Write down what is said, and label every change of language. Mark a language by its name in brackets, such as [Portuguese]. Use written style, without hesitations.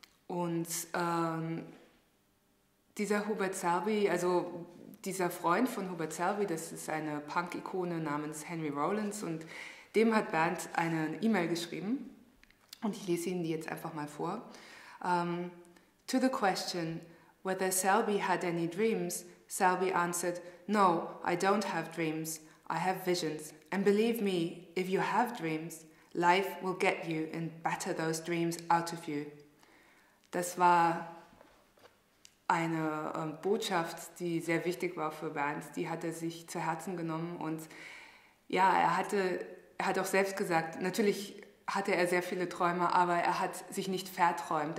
[German] Dieser Freund von Hubert Selby, das ist eine Punk-Ikone namens Henry Rollins, und dem hat Bernd eine E-Mail geschrieben, und ich lese Ihnen die jetzt einfach mal vor. [English] To the question, whether Selby had any dreams, Selby answered, no, I don't have dreams, I have visions. And believe me, if you have dreams, life will get you and batter those dreams out of you. [German] Das war eine Botschaft, die sehr wichtig war für Bernd. Die hat er sich zu Herzen genommen, und ja, er hat auch selbst gesagt, natürlich hatte er sehr viele Träume, aber er hat sich nicht verträumt.